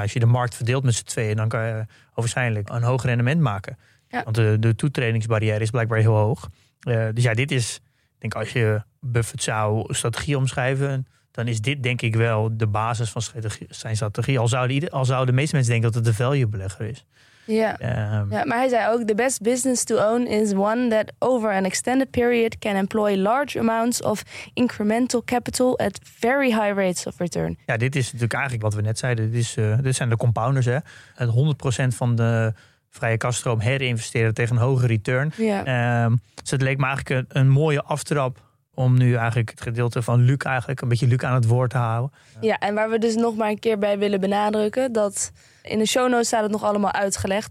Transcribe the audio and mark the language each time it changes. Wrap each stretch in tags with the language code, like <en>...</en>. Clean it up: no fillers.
<nl>Als je de markt verdeelt met z'n tweeën, dan kan je waarschijnlijk een hoger rendement maken. Ja. Want de toetredingsbarrière is blijkbaar heel hoog. Dit is, denk als je Buffett zou strategie omschrijven, dan is dit denk ik wel de basis van zijn strategie. Al zouden de meeste mensen denken dat het de value-belegger is. Maar hij zei ook,</nl> <en>the best business to own is one that over an extended period can employ large amounts of incremental capital at very high rates of return.</en> <nl>Ja, dit is natuurlijk eigenlijk wat we net zeiden. Dit zijn de compounders, hè. Het 100% van de vrije kaststroom herinvesteren tegen een hoger return. Yeah. Dus het leek me eigenlijk een mooie aftrap om nu eigenlijk het gedeelte van Luc eigenlijk een beetje Luc aan het woord te houden. Ja, en waar we dus nog maar een keer bij willen benadrukken, dat in de show notes staat het nog allemaal uitgelegd.</nl>